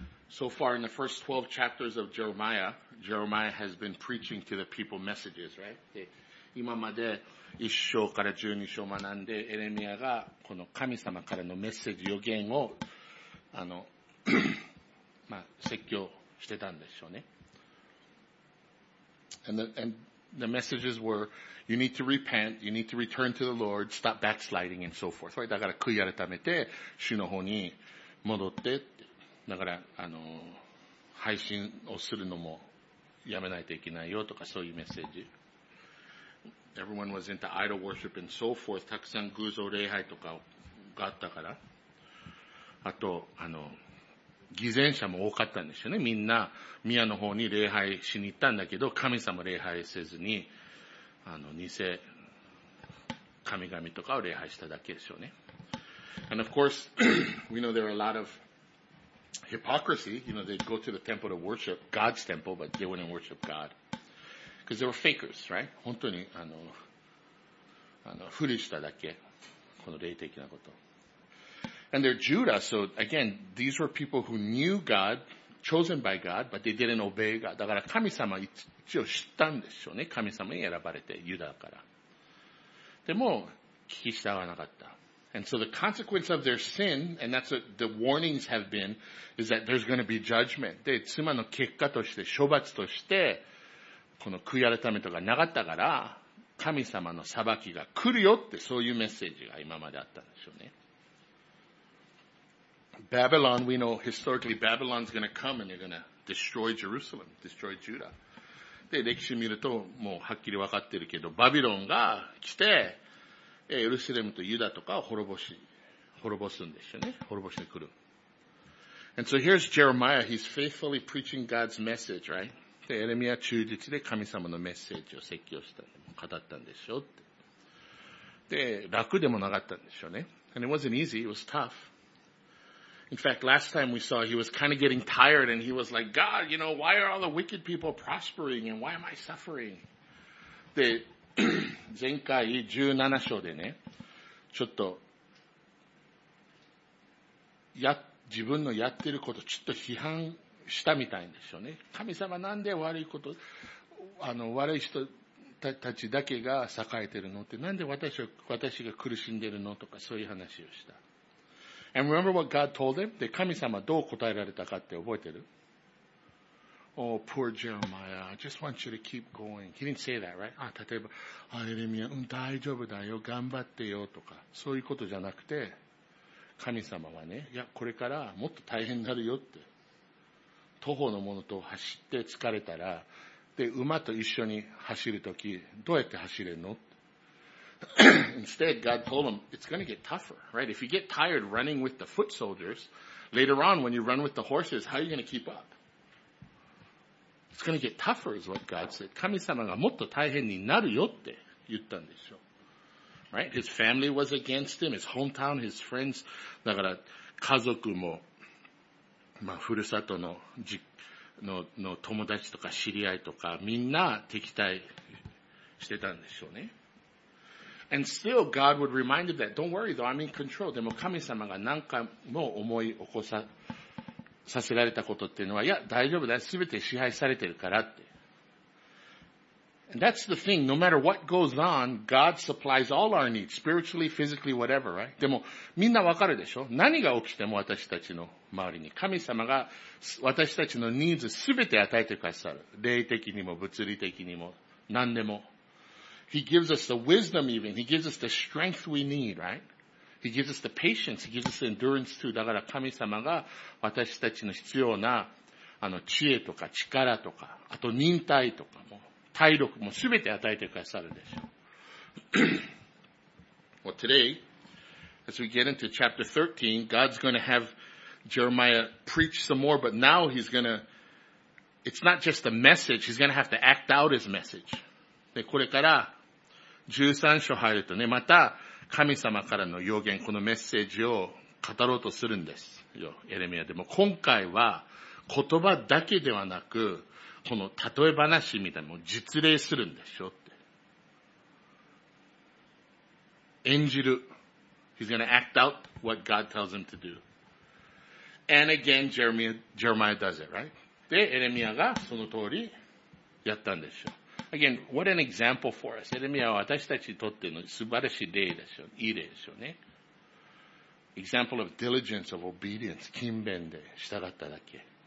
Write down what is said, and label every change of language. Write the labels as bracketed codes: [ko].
[en] So far in the first 12 chapters of Jeremiah, Jeremiah has been preaching to the people messages, right? [ja] で今まで1章から12章を学んで、エレミアがこの神様からのメッセージ、予言を、まあ、説教してたんでしょうね。 [en] And the messages were, you need to repent, you need to return to the Lord, stop backsliding and so forth. [ja] だから悔い改めて主の方に戻って、だから配信をするのもやめないといけないよとかそういうメッセージ。 [en] Everyone was into idol worship and so forth. [ja] たくさん偶像礼拝とかがあったから。あと偽善者も多かったんですよね。みんな、宮の方に礼拝しに行ったんだけど、神様礼拝せずに、偽神々とかを礼拝しただけでしょうね。 [en] And of course, we know there are a lot of hypocrisy. You know, they'd go to the temple to worship God's temple, but they wouldn't worship God. Because they were fakers, right? [ja] 本当に、ふりしただけ。この霊的なこと。 [en] And they're Judah, so again, these were people who knew God, chosen by God, but they didn't obey God. [ja] だから神様一応知ったんでしょうね。神様に選ばれて、ユダから。でも、聞き従わなかった。 [en] And so the consequence of their sin, and that's what the warnings have been, is that there's going to be judgment. [ja] で、妻の結果として、処罰として、この悔い改めとかなかったから、神様の裁きが来るよって、そういうメッセージが今まであったんでしょうね。 [en] Babylon, we know historically Babylon's gonna come and they're gonna destroy Jerusalem, destroy Judah. [ja] で、歴史見るともうはっきり分かってるけど、バビロンが来て、エルサレムとユダとかを滅ぼすんですよね。滅ぼしに来る。 [en] And so here's Jeremiah, he's faithfully preaching God's message, right? [ja] で、エレミア忠実で神様のメッセージを説教した、語ったんでしょうって。で、楽でもなかったんでしょうね。 [en] And it wasn't easy, it was tough. In fact, last time we saw, he was kind of getting tired and he was like, God, you know, why are all the wicked people prospering and why am I suffering? [ja] で、前回17章でね、ちょっと、自分のやってることちょっと批判したみたいんでしょうね。神様なんで悪いこと、悪い人たちだけが栄えてるのって、なんで私が苦しんでるのとかそういう話をした。 [en] And remember what God told him? [ja] で、神様どう答えられたかって覚えてる? [en] Oh, poor Jeremiah, I just want you to keep going. He didn't say that, right? [ja] あ、例えば、あ、エレミア、うん、大丈夫だよ、頑張ってよ、とか、そういうことじゃなくて、神様はね、いや、これからもっと大変になるよって。徒歩の者と走って疲れたら、で、馬と一緒に走るとき、どうやって走れるの [en] Instead, God told him, it's going to get tougher, right? If you get tired running with the foot soldiers, later on when you run with the horses, how are you going to keep up? It's going to get tougher is what God said. [ja] 神様がもっと大変になるよって言ったんでしょう。 [en] Right? His family was against him, his hometown, his friends. [ja] だから家族も、まあ、ふるさとの、の友達とか知り合いとか、みんな敵対してたんでしょうね。 [en] And still, God would remind him that, don't worry though, I'm in control. [ja] でも神様が何回も思い起こさせられたことっていうのは、いや、大丈夫だ。すべて支配されてるからって。 [en] And that's the thing, no matter what goes on, God supplies all our needs, spiritually, physically, whatever, right? [ja] でも、みんなわかるでしょ?何が起きても私たちの周りに。神様が私たちのニーズすべて与えてくださる。霊的にも、物理的にも、何でも。 [en] He gives us the wisdom even. He gives us the strength we need, right? He gives us the patience. He gives us the endurance too. [ja] だから神様が私たちの必要な知恵とか力とか、あと忍耐とかも、体力もすべて与えてくださるでしょう。 [en] Well today, as we get into chapter 13, God's going to have Jeremiah preach some more, but now it's not just a message. He's going to have to act out his message. [ja] で、これから13章入るとね、また神様からの予言、このメッセージを語ろうとするんですよ、エレミア。でも今回は言葉だけではなく、この例え話みたいなのを実例するんでしょって。演じる。 [en] He's gonna act out what God tells him to do. And again, Jeremiah does it, right? [ja] で、エレミアがその通りやったんでしょ。 [en] Again, what an example for us. [ja] エレミアは私たちにとっての素晴らしい例でしょ。いい例でしょうね。 [en] Example of diligence, of obedience, [ja] 勤勉で従っただけ。